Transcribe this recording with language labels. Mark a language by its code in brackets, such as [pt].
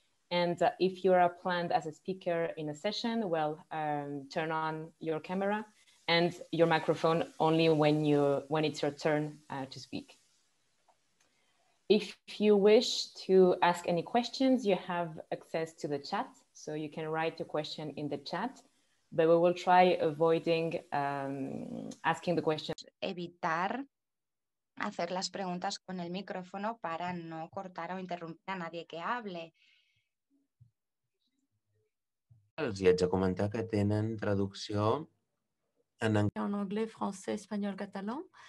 [en] And if you are planned as a speaker in a session, well, turn on your camera and your microphone only when it's your turn to speak. If you wish to ask any questions, you have access to the chat. So you can write a question in the chat, but we will try avoiding asking the question. [es] Evitar hacer las preguntas con el micrófono para no cortar o interrumpir a nadie que hable. [ca] Els hi haig de comentar que tenen traducció en anglès. En anglès, francès, espanyol, català.